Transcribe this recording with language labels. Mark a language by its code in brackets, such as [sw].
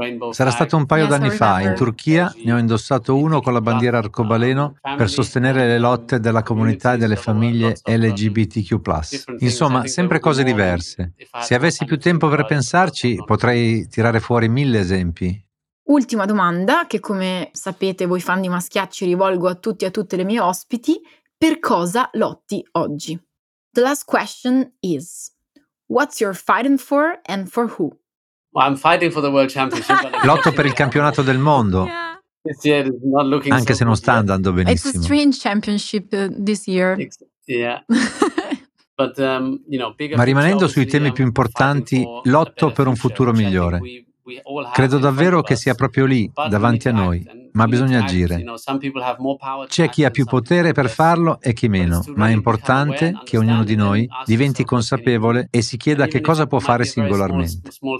[it] Sarà stato un paio d'anni fa, in Turchia ne ho indossato uno con la bandiera arcobaleno per sostenere le lotte della comunità e delle famiglie LGBTQ+. Insomma, sempre cose diverse. Se avessi più tempo per pensarci, potrei tirare fuori 1000 esempi. Ultima domanda, che come sapete voi fan di Maschiacci rivolgo a tutti e a tutte le mie ospiti, per cosa lotti oggi? [en] The last question is, what's your fighting for and for who? Well, I'm fighting for the world championship. [it] Lotto per il campionato del mondo, anche se non sta andando benissimo. [en] It's a strange championship this year. [it] Ma rimanendo sui temi più importanti, lotto per un futuro migliore. Credo davvero che sia proprio lì, davanti a noi, ma bisogna agire. C'è chi ha più potere per farlo e chi meno, ma è importante che ognuno di noi diventi consapevole e si chieda che cosa può fare singolarmente.